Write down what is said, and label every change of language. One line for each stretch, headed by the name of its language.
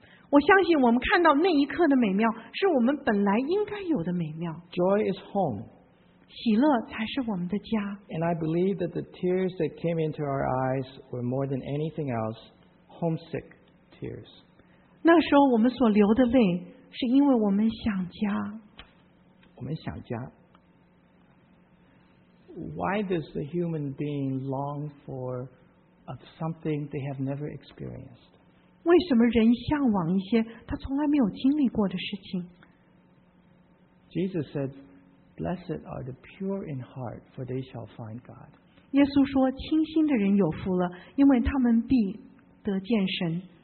Chinese: 我相信我们看到那一刻的美妙，是我们本来应该有的美妙。
English: Joy is home.
Chinese: 喜乐才是我们的家。
English: And I believe that the tears that came into our eyes were more than anything else, homesick tears.
Chinese: 那时候我们所流的泪，是因为我们想家。我们想家。
English: Why does the human being long for something they have never experienced?
Chinese: 为什么人向往一些他从来没有经历过的事情？
English: Jesus said,Blessed are the pure in heart, for they shall find God.
Chinese: 耶稣说，清心的人有福了，因为他们必得见神。